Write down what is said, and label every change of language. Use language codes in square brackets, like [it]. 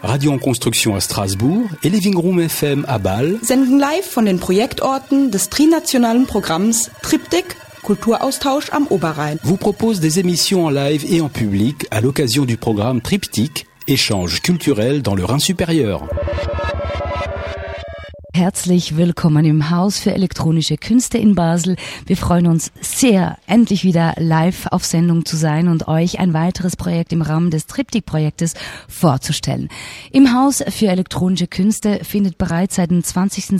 [fr] Radio en Construction à Strasbourg et Living Room FM à Bâle. [de] Senden live von den Projektorten des trinationalen Programms Triptych Kulturaustausch am Oberrhein. [fr] Vous propose des émissions en live et en public à l'occasion du programme Triptych Échange culturel dans le Rhin supérieur. [de] Herzlich willkommen im Haus für elektronische Künste in Basel. Wir freuen uns sehr, endlich wieder live auf Sendung zu sein und euch ein weiteres Projekt im Rahmen des Triptych-Projektes vorzustellen. Im Haus für elektronische Künste findet bereits seit dem 20.